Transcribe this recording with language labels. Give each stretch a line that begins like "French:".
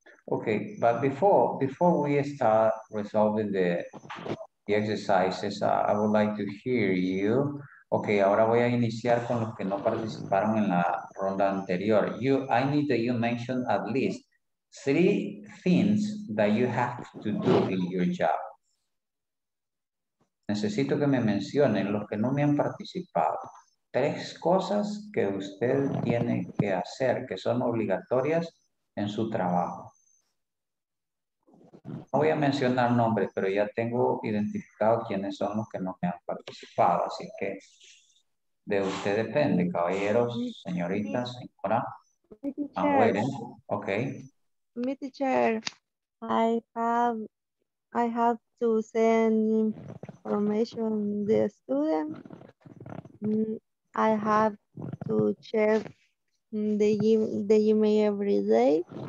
English: Okay, but before we start resolving the exercises, I would like to hear you.
Spanish: Okay, ahora voy a iniciar con los que no participaron en la ronda anterior.
English: I need that you mention at least 3 things that you have to do in your job.
Spanish: Necesito que me mencionen los que no me han participado. 3 cosas que usted tiene que hacer, que son obligatorias en su trabajo. No voy a mencionar nombres, pero ya tengo identificado quiénes son los que no me han participado. Así que de usted depende, caballeros, señoritas, señora.
English: Okay. Mi teacher, I have to send information to the student. I have to check the email every day.